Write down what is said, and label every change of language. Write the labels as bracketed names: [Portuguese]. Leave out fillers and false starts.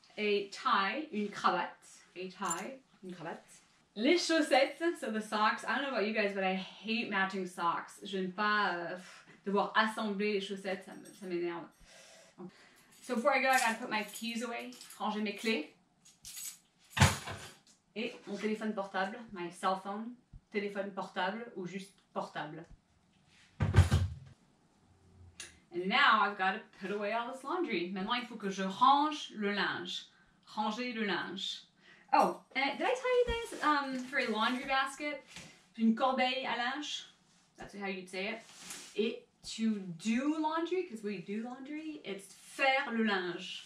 [English] A tie, une cravate. A tie, une cravate. Les chaussettes, so the socks. I don't know about you guys, but I hate matching socks. [French] Je n'aime pas devoir assembler les chaussettes, ça m'énerve. [English] So before I go, I gotta put my keys away, [French] ranger mes clés. Et mon téléphone portable, [English] my cell phone. [French] Téléphone portable ou juste portable. [English] And now I've gotta put away all this laundry. [French] Maintenant, il faut que je range le linge. Ranger le linge. [English] Oh, did I tell you this for a laundry basket? [French] Une corbeille à linge. [English] That's how you'd say it. Et to do laundry, because we do laundry, it's faire le linge.